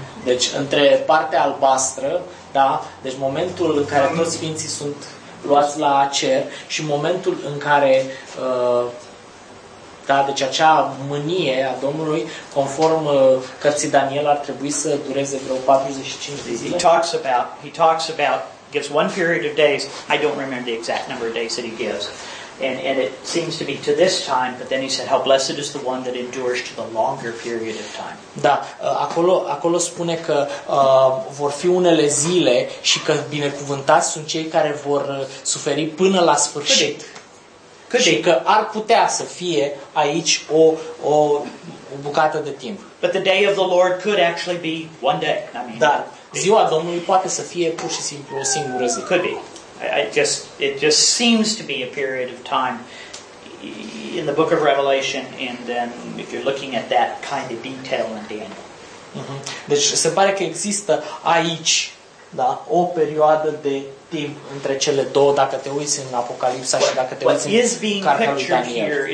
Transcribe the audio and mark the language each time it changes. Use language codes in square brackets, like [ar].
[ro] Deci între partea albastră, da, deci momentul în care toți sfinții sunt luați la cer și momentul în care da, deci acea mânie a Domnului, conform cărții Daniel, ar trebui să dureze vreo 45 de zile. [en] He talks about, gives one period of days, I don't remember the exact number of days that he gives. And it seems to be to this time, but then he said, how blessed is the one that endures to the longer period of time. [ro] Da, acolo spune că vor fi unele zile și că binecuvântați sunt cei care vor suferi până la sfârșit. Și că ar putea să fie aici o bucată de timp. [en] But the day of the Lord could actually be one day. I mean, [ro] dar ziua Domnului poate să fie pur și simplu o singură zi. [en] Could be. It just seems to be a period of time in the book of Revelation and then if you're looking at that kind of detail in Daniel. Mm-hmm. [ro] Deci se pare că există aici, da, o perioadă de timp între cele două, dacă te uiți în Apocalipsa și dacă te uiți în cartea lui Daniel.